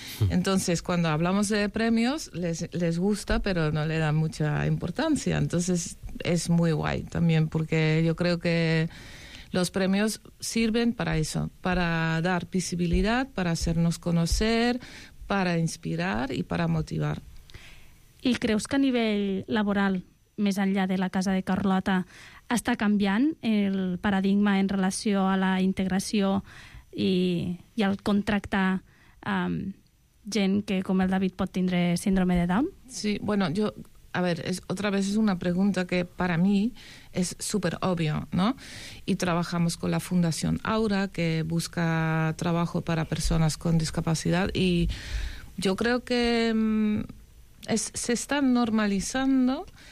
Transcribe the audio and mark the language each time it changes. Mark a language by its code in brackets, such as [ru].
[es] Entonces, cuando hablamos de premios, les gusta, pero no le dan mucha importancia. Entonces, es muy guay también, porque yo creo que los premios sirven para eso, para dar visibilidad, para hacernos conocer, para inspirar y para motivar. ¿Y crees que a nivel laboral, [ca] més enllà de la Casa de Carlota, està canviant el paradigma en relació a la integració i al contractar gent que, com el David, pot tindre síndrome de Down? [es] Sí, bueno, otra vez es una pregunta que para mí es súper obvio, ¿no? Y trabajamos con la Fundación Aura, que busca trabajo para personas con discapacidad, y yo creo que se está normalizando.